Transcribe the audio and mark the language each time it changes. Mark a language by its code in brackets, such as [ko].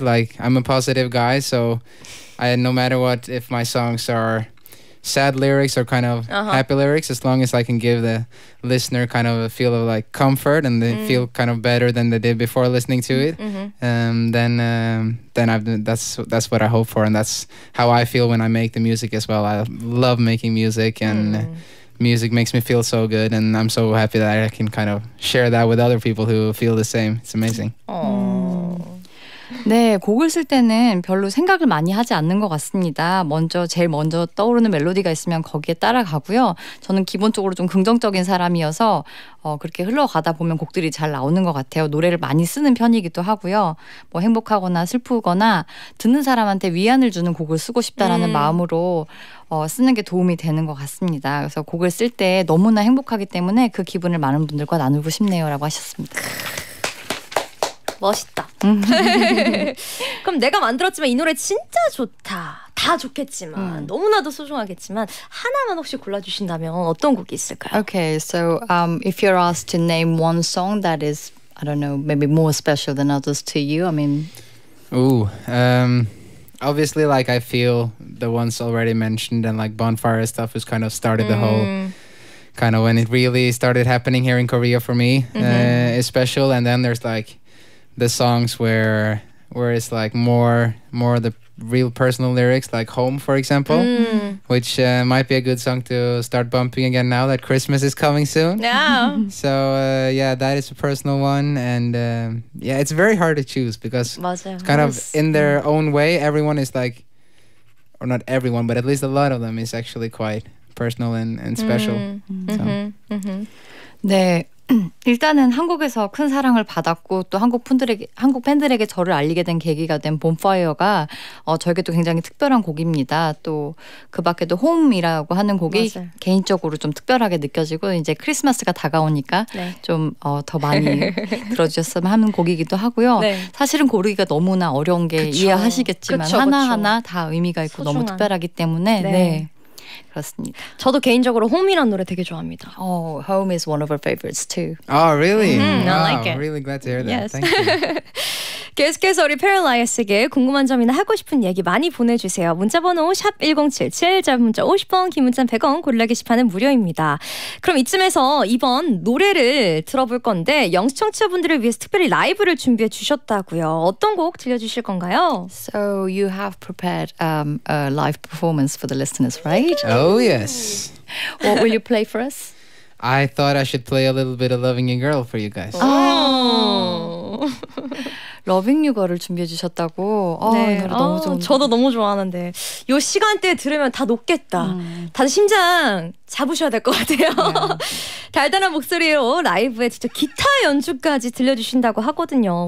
[en] Like I'm a positive guy, so I no matter what, if my songs are sad lyrics or kind of happy lyrics, as long as I can give the listener kind of a feel of like comfort and they feel kind of better than they did before listening to it, then that's what I hope for, and that's how I feel when I make the music as well. I love making music, and music makes me feel so good, and I'm so happy that I can kind of share that with other people who feel the same. It's amazing. Aww. [ko] 네, 곡을 쓸 때는 별로 생각을 많이 하지 않는 것 같습니다. 먼저 제일 먼저 떠오르는 멜로디가 있으면 거기에 따라가고요. 저는 기본적으로 좀 긍정적인 사람이어서 그렇게 흘러가다 보면 곡들이 잘 나오는 것 같아요. 노래를 많이 쓰는 편이기도 하고요. 뭐 행복하거나 슬프거나 듣는 사람한테 위안을 주는 곡을 쓰고 싶다라는 마음으로 쓰는 게 도움이 되는 것 같습니다. 그래서 곡을 쓸 때 너무나 행복하기 때문에 그 기분을 많은 분들과 나누고 싶네요 라고 하셨습니다. 멋있다. 그럼 내가 만들었지만 이 노래 진짜 좋다. 다 좋겠지만 너무나도 소중하겠지만 하나만 혹시 골라주신다면 어떤 곡이 있을까요? [en] Okay, so if you're asked to name one song that is, I don't know, maybe more special than others to you, I mean... Ooh, obviously like I feel the ones already mentioned and like Bonfire and stuff has kind of started the whole... kind of when it really started happening here in Korea for me is special. And then there's like the songs where it's like more the real personal lyrics, like Home, for example, which might be a good song to start bumping again now that Christmas is coming soon. So, yeah, that is a personal one. And yeah, it's very hard to choose because it's kind of in their own way, everyone is like, or not everyone, but at least a lot of them is actually quite personal and special. So. 네. [ko] 일단은 한국에서 큰 사랑을 받았고 또 한국 팬들에게 저를 알리게 된 계기가 된 Bonfire가 저에게도 굉장히 특별한 곡입니다. 또 그 밖에도 Home이라고 하는 곡이 개인적으로 좀 특별하게 느껴지고 이제 크리스마스가 다가오니까 좀 더 많이 들어주셨으면 하는 곡이기도 하고요. 사실은 고르기가 너무나 어려운 게 이해하시겠지만 하나하나 다 의미가 있고 소중한. 너무 특별하기 때문에 그렇습니다. 저도 개인적으로 홈이라는 노래 되게 좋아합니다. [en] Oh, home is one of our favorites too. Oh, really? Wow, I like it. Really glad to hear that. Thank you. [ko] 계속해서 우리 페럴라이어스에게 궁금한 점이나 하고 싶은 얘기 많이 보내주세요. 문자번호 샵 1077, 짧은 문자 50번, 긴 문자 100원, 골라 게시판은 무료입니다. 그럼 이쯤에서 이번 노래를 들어볼 건데 영스 청취자분들을 위해서 특별히 라이브를 준비해 주셨다고요. 어떤 곡 들려주실 건가요? [en] So you have prepared a live performance for the listeners, right? Oh, yes. What will you play for us? I thought I should play a little bit of Loving You Girl for you guys. Oh! [ko] 러빙 유거를 준비해 주셨다고. 네. 너무 좋은데. 저도 너무 좋아하는데 이 시간대에 들으면 다 녹겠다. 다들 심장 잡으셔야 될 것 같아요. 달달한 목소리로 라이브에 직접 기타 연주까지 들려주신다고 하거든요.